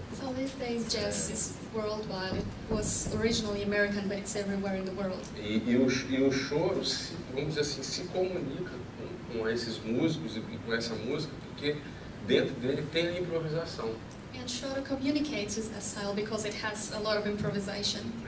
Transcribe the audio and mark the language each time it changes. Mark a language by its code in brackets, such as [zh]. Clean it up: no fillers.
[en] So these days jazz is worldwide. It was originally American, but it's everywhere in the world. [pt] E o choro, vamos dizer assim, se comunica com esses músicos e com essa música, porque dentro dele tem a improvisação. [en] And choro communicates with that style because it has a lot of improvisation.